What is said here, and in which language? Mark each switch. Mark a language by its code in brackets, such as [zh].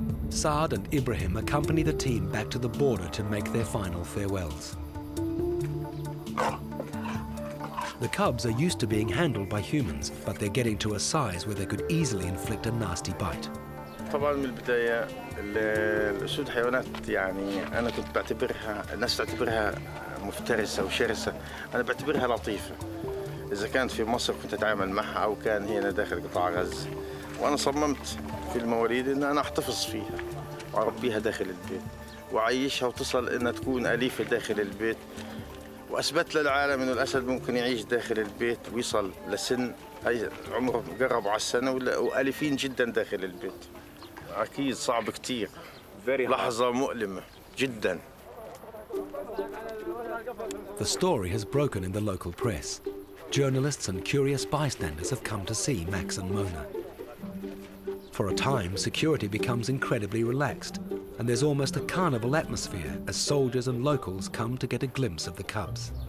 [en] Saad and Ibrahim accompany the team back to the border to make their final farewells. The cubs are used to being handled by humans, but they're getting to a size where they could easily inflict a nasty bite. [ar] طبعاً من البداية الأسود حيوانات يعني أنا كنت بعتبرها الناس تعتبرها مفترسة وشرسة أنا بعتبرها لطيفة إذا كانت في مصر كنت أتعامل معها أو كان هنا داخل قطاع غزة وأنا صممت في المواليد ان انا احتفظ فيها واربيها داخل البيت واعيشها وتصل انها تكون اليفه داخل البيت، واثبت للعالم انه الاسد ممكن يعيش داخل البيت ويصل لسن هي عمره قرب على السنه والفين جدا داخل البيت. اكيد صعب كثير، لحظه مؤلمه جدا. [en] The story has broken in the local press. Journalists and curious bystanders have come to see Max and Mona. For a time, security becomes incredibly relaxed, and there's almost a carnival atmosphere as soldiers and locals come to get a glimpse of the cubs.